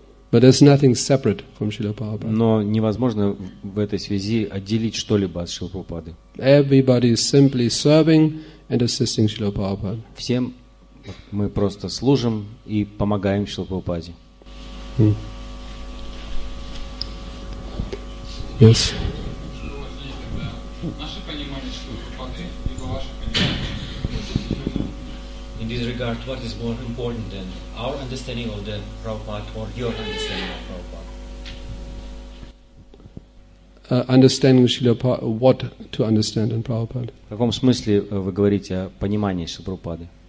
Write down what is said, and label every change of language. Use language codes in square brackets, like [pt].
[en] But there's nothing separate from Srila Prabhupada. [ru] Но невозможно в этой связи отделить что-либо от Шрила Прабхупады. [en] Everybody is simply serving and assisting Srila Prabhupada. [ru] Всем мы просто служим и помогаем Шрила Прабхупаде. [en] Yes. In this regard, what is more important than our understanding of the Prabhupada or your understanding of Prabhupada? understanding Srila Prabhupada, what to understand in Prabhupada. [ru] В каком смысле вы говорите о понимании Шрилы Прабхупады?